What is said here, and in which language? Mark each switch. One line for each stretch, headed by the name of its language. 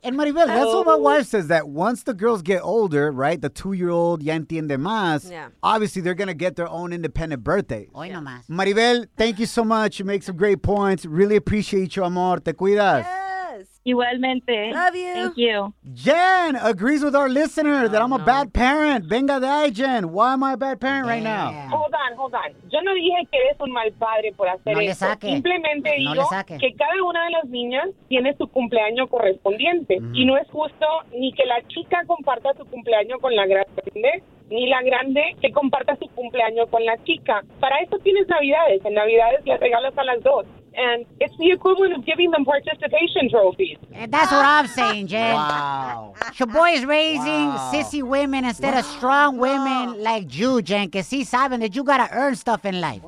English: And Maribel, that's what my wife says, that once the girls get older, right, the two-year-old
Spanish: ya entiende más,
English: obviously they're going to get their own independent birthday.
Spanish: Hoy no más.
English: Maribel, thank you so much. You make some great points. Really appreciate you, amor.
Spanish: Te cuidas.
English: Yes.
Spanish: Igualmente.
English: Love you. Thank you. Jen agrees with our listener that I'm a bad parent.
Spanish: Venga de ahí,
English: Jen. Why am I a bad parent right now? Hold on.
Spanish: Yo no dije que eres un mal padre por hacer no eso. Le saque. Simplemente no digo que cada una de las niñas tiene su cumpleaños correspondiente. Mm. Y no es justo ni que la chica comparta su cumpleaños con la grande, ni la grande que comparta su cumpleaños con la chica. Para eso tienes Navidades. En Navidades las regalas a las dos.
English: And it's the equivalent of giving them participation trophies. And that's what I'm saying, Jen. Wow. Shoboy is raising sissy women instead of strong women like you, Jen, because he's saying that you got to earn stuff in life.